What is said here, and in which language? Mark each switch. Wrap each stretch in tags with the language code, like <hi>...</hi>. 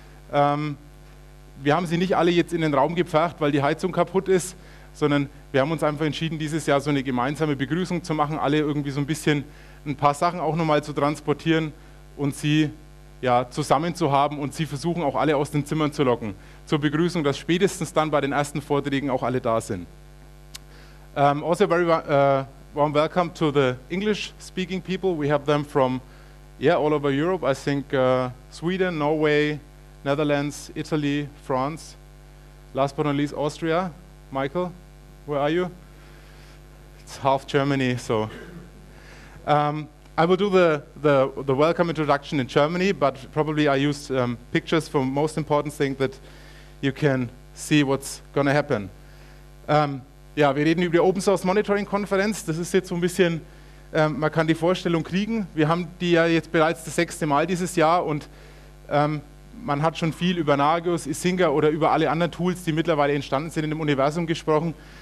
<de>Wir haben sie nicht alle jetzt in den Raum gepfercht, weil die Heizung kaputt ist, sondern wir haben uns einfach entschieden, dieses Jahr so eine gemeinsame Begrüßung zu machen, alle irgendwie so ein bisschen ein paar Sachen auch nochmal zu transportieren und sie ja, zusammen zu haben und sie versuchen auch alle aus den Zimmern zu locken zur Begrüßung, dass spätestens dann bei den ersten Vorträgen auch alle da sind.</de> <en>Also very warm welcome to the English-speaking people. We have them from all over Europe. I think Sweden, Norway, Netherlands, Italy, France. Last but not least, Austria. Michael, where are you? It's half Germany, so. I will do the welcome introduction in Germany, but probably I used pictures for most important thing that you can see what's going to happen.</en> <de>Ja, wir reden über die Open Source Monitoring Konferenz. Das ist jetzt so ein bisschen, man kann die Vorstellung kriegen. Wir haben die ja jetzt bereits das sechste Mal dieses Jahr und man hat schon viel über Nagios, Isinga oder über alle anderen Tools, die mittlerweile entstanden sind, in dem Universum gesprochen.</de>